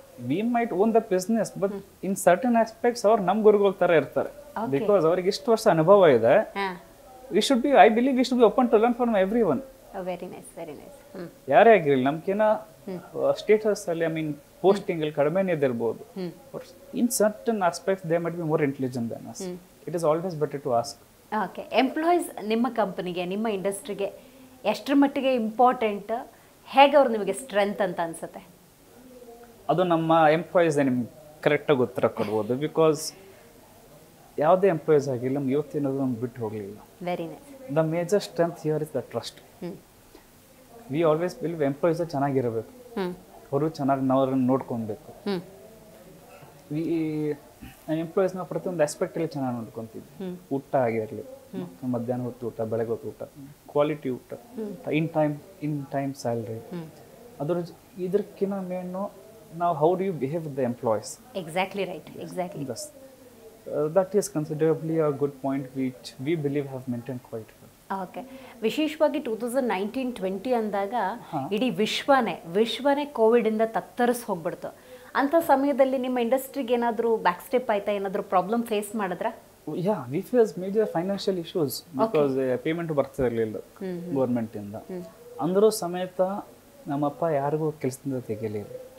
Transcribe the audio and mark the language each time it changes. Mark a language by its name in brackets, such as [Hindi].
[English] we might own the business but in certain aspects [Kannada] ಅವ್ರು ನಮ್ ಗುರುಗಳ ತರ ಇರ್ತಾರೆ. ಬಿಕಾಸ್ ಅವ್ರಿಗೆ ಇಷ್ಟು ವರ್ಷ ಅನುಭವ ಇದೆ. [English] We should be, I believe, we should be open to learn from everyone. Oh, very nice, very nice. [Kannada] ಯಾರೇ ಆಗಿರಲಿ, ನಮ್ಗೇನೋ ಸ್ಟೇಟಸ್ ಅಲ್ಲಿ, [English] I mean [Kannada] ಪೋಸ್ಟಿಂಗ್ ಅಲ್ಲಿ ಕಡಿಮೆನೇ ಇದ್ದಿರ್ಬೋದು. [English] In certain aspect they might be more intelligent than us. It is always better to ask. [Kannada] Okay, employees ನಿಮ್ಮ ಕಂಪನಿಗೆ, ನಿಮ್ಮ ಇಂಡಸ್ಟ್ರಿಗೆ ಎಷ್ಟರ ಮಟ್ಟಿಗೆ ಇಂಪಾರ್ಟೆಂಟ್, ಹೇಗೆ ಅವ್ರು ನಿಮಗೆ ಸ್ಟ್ರೆಂತ್ ಅಂತ ಅನ್ಸುತ್ತೆ? ಅದು ನಮ್ಮ ಎಂಪ್ಲಾಯೀಸ್ ನಿಮ್ಗೆ ಕರೆಕ್ಟಾಗಿ ಉತ್ತರ ಕೊಡ್ಬೋದು. ಬಿಕಾಸ್ ಯಾವುದೇ ಎಂಪ್ಲಾಯೀಸ್ ಆಗಿಲ್ಲ, ನಮ್ಮ ಯುವತಿ ಅನ್ನೋದು ನಮ್ಗೆ ಬಿಟ್ಟು ಹೋಗಲಿಲ್ಲ. [English] Very nice. The major strength here is the trust. We always believe [Kannada] employees ಚೆನ್ನಾಗಿರಬೇಕು, ಅವರು ಚೆನ್ನಾಗಿ ನಾವರನ್ನು ನೋಡ್ಕೊಬೇಕು. ವಿ ಎಂಪ್ಲಾಯೀಸ್ನ ಪ್ರತಿಯೊಂದು ಆಸ್ಪೆಕ್ಟಲ್ಲಿ ಚೆನ್ನಾಗಿ ನೋಡ್ಕೊತೀವಿ. ಊಟ ಆಗಿರಲಿ, ಮಧ್ಯಾಹ್ನ ಹೊತ್ತು ಊಟ, ಬೆಳಗ್ಗೆ ಹೊತ್ತು ಊಟ, ಕ್ವಾಲಿಟಿ ಊಟ, ಇನ್ ಟೈಮ್ ಸ್ಯಾಲ್ರಿ, ಅದ್ರ ಇದಕ್ಕಿಂತ ಮೇನು ನಾವು [English] How do you behave with the employees. Exactly right, exactly. That is considerably a good point which we believe have maintained quite well. Okay. [Kannada] ವಿಶೇಷವಾಗಿ 2019-20 ಅಂದಾಗ ಇಡೀ ವಿಶ್ವನೇ ಕೋವಿಡ್ ಇಂದ ತತ್ತರಿಸ್ ಹೋಗ್ಬಿಡ್ತು. ಅಂತ ಸಮಯದಲ್ಲಿ ನಿಮ್ಮ ಇಂಡಸ್ಟ್ರಿಗೆ ಏನಾದರೂ ಬ್ಯಾಕ್ ಸ್ಟೆಪ್ ಆಯ್ತಾ, ಏನಾದರೂ ಪ್ರಾಬ್ಲಮ್ ಫೇಸ್ ಮಾಡಿದ್ರ? [English] Yeah, we face major financial issues. [Kannada] Because payment ಬರ್ತಾ ಇರಲಿಲ್ಲ ಗೌರ್ಮೆಂಟ್ ಇಂದ, ಅಂದರೂ ಸಮೇತ ನಮ್ಮಪ್ಪ ಯಾರಿಗೂ ಕೆಲಸದಿಂದ ತೆಗೆಯಲಿಲ್ಲ.